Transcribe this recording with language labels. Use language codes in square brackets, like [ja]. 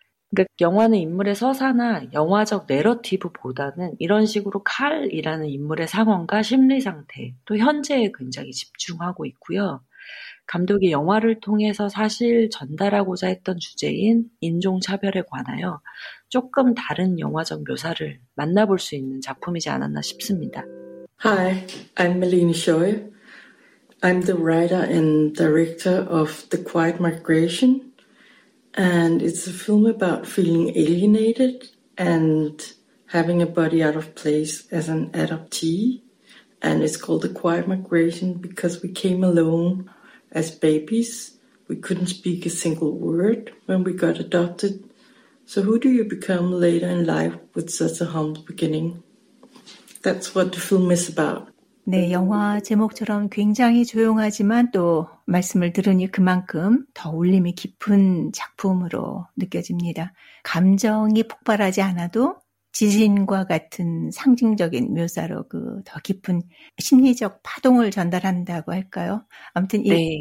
[ko] 그러니까 영화는 인물의 서사나 영화적 내러티브보다는 이런 식으로 칼이라는 인물의 상황과 심리상태 또 현재에 굉장히 집중하고 있고요. 감독이 영화를 통해서 사실 전달하고자 했던 주제인 인종차별에 관하여 조금 다른 영화적 묘사를 만나볼 수 있는 작품이지 않았나 싶습니다. [en] Hi, I'm Melina Choi. I'm the writer and director of The Quiet Migration. And it's a film about feeling alienated and having a body out of place as an adoptee. And it's called The Quiet Migration because we came alone as babies. We couldn't speak a single word when we got adopted. So who do you become later in life with such a humble beginning? That's what the film is about. [ko] 네, 영화 제목처럼 굉장히 조용하지만 또 말씀을 들으니 그만큼 더 울림이 깊은 작품으로 느껴집니다. 감정이 폭발하지 않아도 지진과 같은 상징적인 묘사로 그 더 깊은 심리적 파동을 전달한다고 할까요? 아무튼 이 네.